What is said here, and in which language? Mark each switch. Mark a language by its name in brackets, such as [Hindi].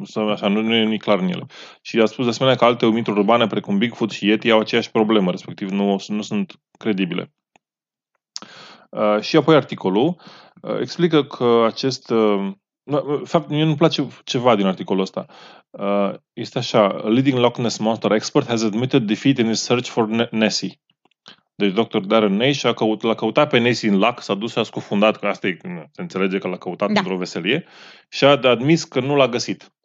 [Romanian] Așa, nu e nici clar în ele. Și a spus de asemenea că alte mituri urbane precum Bigfoot și Yeti au aceeași problemă, respectiv nu sunt credibile. Și apoi articolul explică că acest fapt, mie nu-mi place ceva din articolul ăsta. Este așa: [English] a leading Loch Ness monster expert has admitted defeat in his search for Nessie. [Romanian] Deci Dr. Darren Nash l-a căutat pe Nessie în lac, s-a dus și a scufundat, că asta se înțelege că l-a căutat, da, într-o veselie, și a admis că nu l-a găsit.